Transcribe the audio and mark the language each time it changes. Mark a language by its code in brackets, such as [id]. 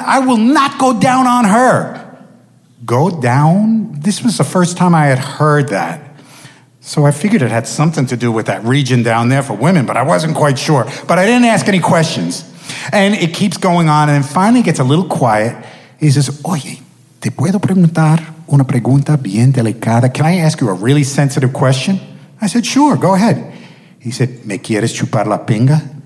[en] I will not go down on her. Go down? This was the first time I had heard that. So I figured it had something to do with that region down there for women, but I wasn't quite sure. But I didn't ask any questions. And it keeps going on, and then finally gets a little quiet. He says, [es] oye, ¿te puedo preguntar una pregunta bien delicada? [en] Can I ask you a really sensitive question? I said, sure, go ahead. He said, [es] ¿me quieres chupar la pinga?